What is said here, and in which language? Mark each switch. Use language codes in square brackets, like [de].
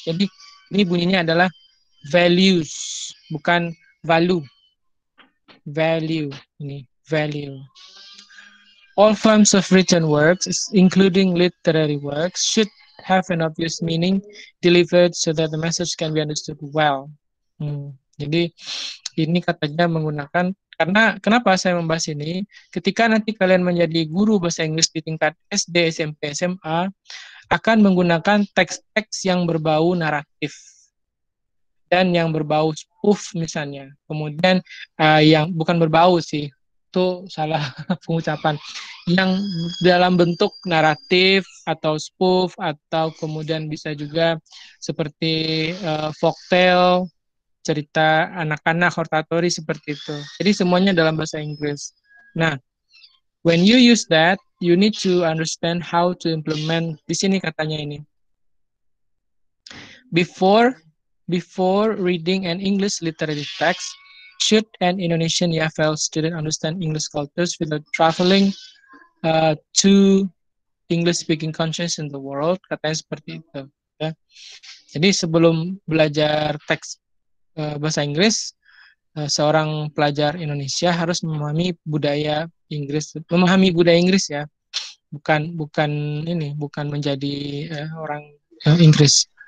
[id] Jadi, ini bunyinya adalah values, bukan value. [en] Value, ini. Value. All forms of written works, including literary works, should have an obvious meaning delivered so that the message can be understood well. [id] Jadi ini katanya menggunakan, karena kenapa saya membahas ini, ketika nanti kalian menjadi guru bahasa Inggris di tingkat SD, SMP, SMA, akan menggunakan teks-teks yang berbau naratif dan yang berbau spoof misalnya. Kemudian yang bukan berbau sih, itu salah pengucapan, yang dalam bentuk naratif atau spoof atau kemudian bisa juga seperti folktale, cerita anak-anak, hortatori, seperti itu. Jadi semuanya dalam bahasa Inggris. [en] Nah, when you use that, you need to understand how to implement, [id] di sini katanya ini, [en] before reading an English literary text, should an Indonesian EFL student understand English cultures without traveling to English-speaking countries in the world? [id] Katanya seperti itu. Ya. Jadi sebelum belajar teks bahasa Inggris, seorang pelajar Indonesia harus memahami budaya Inggris, memahami budaya Inggris ya, bukan menjadi orang Inggris.